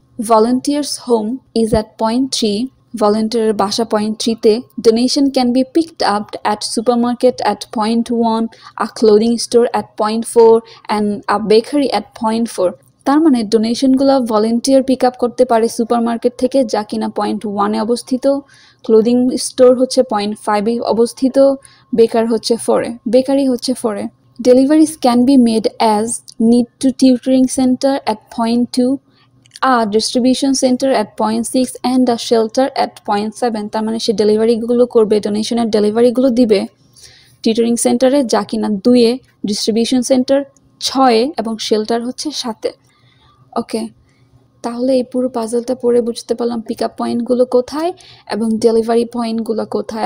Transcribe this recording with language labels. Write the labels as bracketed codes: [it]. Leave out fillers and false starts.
[en] Volunteer's home is at point 3. Volunteer [bn] basha [en] point 3 te donation can be picked up at supermarket at point 1, a clothing store at point 4 and a bakery at point 4. [bn] তার মানে donation গুলো volunteer pick up করতে পারে supermarket থেকে, যা কিনা point ওয়ানে অবস্থিত, ক্লোদিং স্টোর হচ্ছে পয়েন্ট ফাইভে অবস্থিত, বেকারি হচ্ছে ফোরে। [en] Deliveries can be made as need to tutoring center at point 2, a distribution center at point 6 and a shelter at point 7. [bn] তার মানে সে ডেলিভারি গুলো করবে, ডোনেশনের ডেলিভারি গুলো দিবে টিটারিং সেন্টারে, যা কিনা দুয়ে, ডিস্ট্রিবিউশন সেন্টার ছয়ে এবং শেল্টার হচ্ছে সাতে। ওকে, তাহলে এই পুরো পাজলটা পড়ে বুঝতে পারলাম পিক আপ পয়েন্টগুলো কোথায় এবং ডেলিভারি পয়েন্টগুলো কোথায়।